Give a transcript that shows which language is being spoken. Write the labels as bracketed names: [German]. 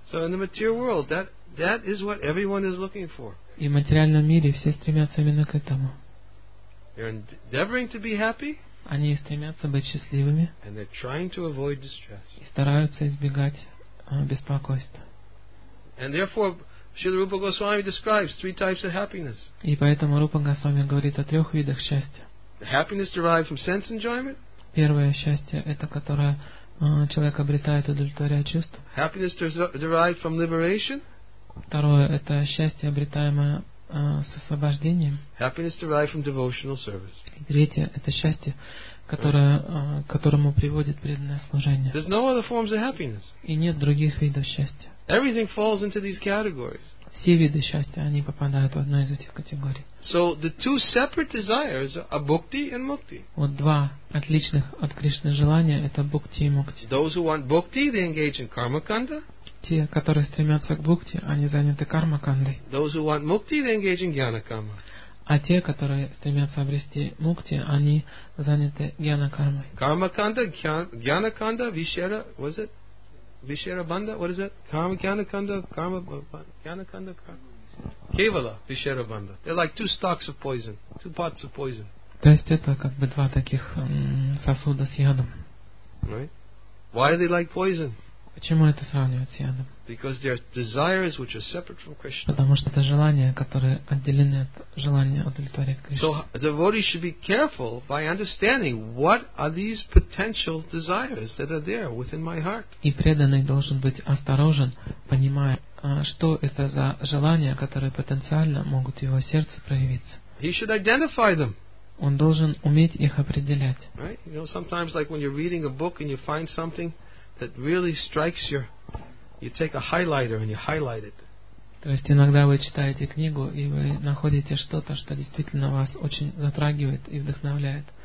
[English] So in the material world, that is what everyone is looking for. [Russian] И в материальном мире все стремятся именно к этому. [English] They're endeavoring to be happy. [Russian] Они стремятся быть счастливыми. [English] And they're trying to avoid distress. [Russian] И стараются избегать беспокойства. [English] And therefore, Srila Rupa Goswami describes three types of happiness. [Russian] И поэтому Рупа Госвами говорит о трех видах счастья. [English] The happiness derived from sense enjoyment. [Russian] Первое счастье – это которое человек обретает, удовлетворяя чувства. [English] Happiness derived from liberation. [Russian] Второе – это счастье, обретаемое с освобождением. [English] Happiness derived from devotional service. [Russian] И третье – это счастье, которое, к которому приводит преданное служение. [English] There's no other forms of happiness. [Russian] И нет других видов счастья. [English] Everything falls into these categories. [Russian] Все виды счастья, они попадают в одну из этих категорий. [English] So the two separate desires are bhukti and mukti. [Russian] Вот два отличных от Кришны желания – это бхукти и мукти. [English] Those who want bhukti, they engage in karmakanda. [Russian] Те, которые стремятся к бхукти, они заняты кармакандой. [English] Those who want mukti, they engage in gyanakarma. [Russian] А те, которые стремятся обрести мукти, они заняты гьянакармой. [English] Кармаканда, гьянаканда, вишера, was it? Vishera Bandha, what is that? Karma Gyana Kanda, Karma Gyana Kanda, Kevala, Vishera Bandha. They're like two stalks of poison, two pots of poison. [Russian] То есть это как бы два таких сосуда с ядом. [English] Right? Why are they like poison? [Russian] Почему это сравнивают с ядом? [English] Because they are desires which are separate from Krishna. [Russian] Потому что это желания, которые отделены от желания удовлетворять Кришну. [English] So a devotee should be careful by understanding what are these potential desires that are there within my heart. [Russian] И преданный должен быть осторожен, понимая, что это за желания, которые потенциально могут в его сердце проявиться. [English] He should identify them. [Russian] Он должен уметь их определять. [English] Right? You know, sometimes like when you're reading a book and you find something that really strikes your, you take a highlighter and you highlight it. [Russian] То есть иногда вы читаете книгу и вы находите что-то, что действительно вас очень затрагивает и вдохновляет.